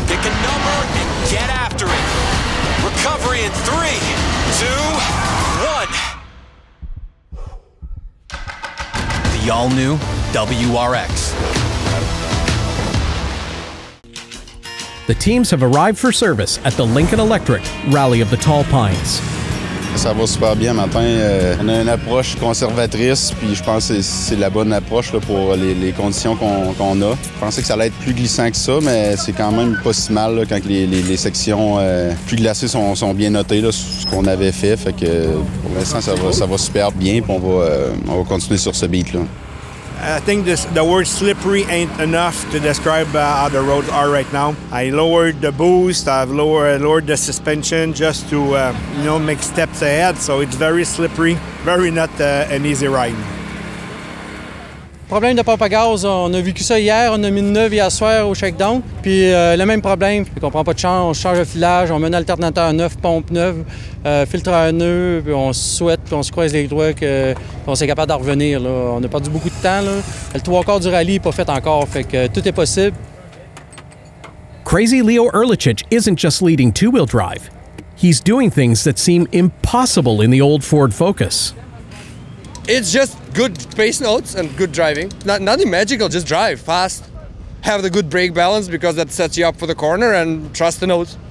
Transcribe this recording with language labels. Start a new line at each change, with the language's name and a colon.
English: Pick a number and get after it. Recovery in 3, 2, 1. The all-new WRX. The teams have arrived for service at the Lincoln Electric Rally of the Tall Pines.
French: Ça va super bien matin. On a une approche conservatrice, puis je pense que c'est la bonne approche là, pour les conditions qu'on a. Je pensais que ça allait être plus glissant que ça, mais c'est quand même pas si mal là, quand les sections plus glacées sont bien notées, là, ce qu'on avait fait. Fait que pour l'instant, ça va super bien, puis on va continuer sur ce beat-là.
English: I think the word slippery ain't enough to describe how the roads are right now. I lowered the boost, I lowered the suspension just to make steps ahead. So it's very slippery, very not an easy ride.
French: Problème de pompe à gaz, on a vécu ça hier, on a mis 9 hier soir au shakedown. Puis le même problème, puis on prend pas de chance, on change le filage, on met un alternateur neuf, pompe neuve, filtre à nœud, puis on souhaite, puis on se croise les doigts qu'on s'est capable d'en revenir. Là. On a perdu beaucoup de temps, là. Le trois quarts du rallye n'est pas fait encore, fait que tout est possible.
English: Crazy Leo Erlichich isn't just leading two-wheel drive. He's doing things that seem impossible in the old Ford Focus. It's just good pace notes and good driving. Nothing magical, just drive fast. Have the good brake balance because that sets you up for the corner and trust the notes.